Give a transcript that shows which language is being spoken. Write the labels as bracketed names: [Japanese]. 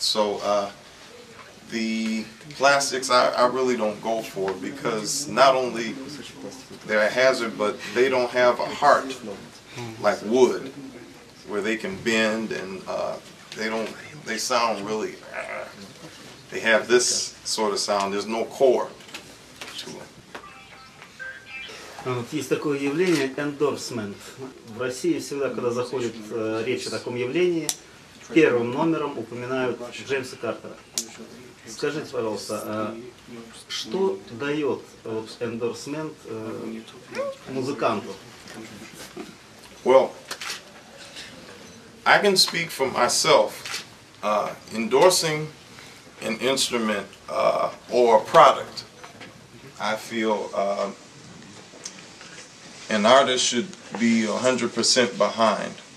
[English] So the plastics I really don't go for, because not only they're a hazard, but they don't have a heart like wood where they can bend, and they sound really, they have this sort of sound, there's no core. [Russian] Есть такое явление «эндорсмент». В России всегда, когда заходит речь о таком явлении, первым номером упоминают Джеймса Картера. Скажите, пожалуйста, что дает вот эндорсмент музыканту? [English] Well, I can speak for myself. Endorsing an instrument or a product, I feel... an artist should be 100% behind.